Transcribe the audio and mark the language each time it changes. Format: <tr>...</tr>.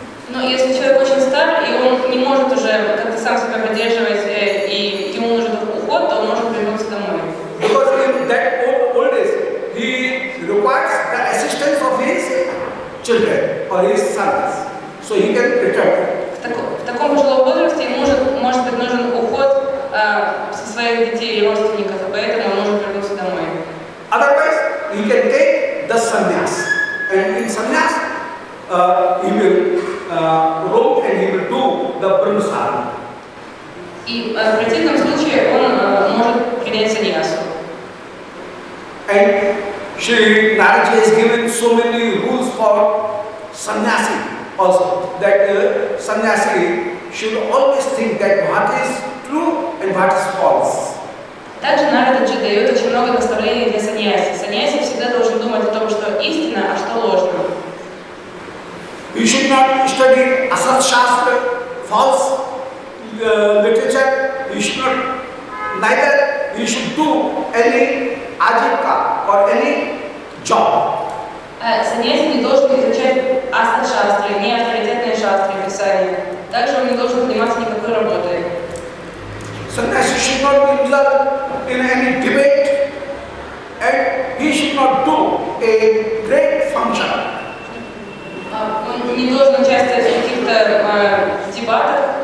<ru>Но если человек очень стар и он не может уже как-то сам себя поддерживать и ему нужен уход, то он может вернуться домой.</ru> <en>Because in that old age, he requires the assistance of his children or his sons, so he can return.</en> <ru>В таком пожилом возрасте ему может быть нужен уход со своих детей и родственников, поэтому он может вернуться домой.</ru> <en>Otherwise, he can take the sannyas, and in sannyas, he will. Rope and he will do the brahmacharya.</en> <ru>И в противном случае он может принять саньясу.</ru> <en>And Shri Naraji has given so many rules for sannyasi also, that sannyasi should always think that what is true and what is false.</en> <ru>Также Нараджи дает очень много наставлений для саньяси. Саньяси всегда должен думать о том, что истина, а что ложно.</ru> <en>You should not study asat shastra, false literature. You should not, neither you should do any ajika or any job.</en> <ru>Саньяси не должен изучать асат шастры, не авторитетные шастры писания. Также он не должен заниматься никакой работой.</ru> <en>Саньяси should not be involved in any debate, and he should not do a great function.</en> <ru>Не должен участвовать в каких-то дебатах.</ru>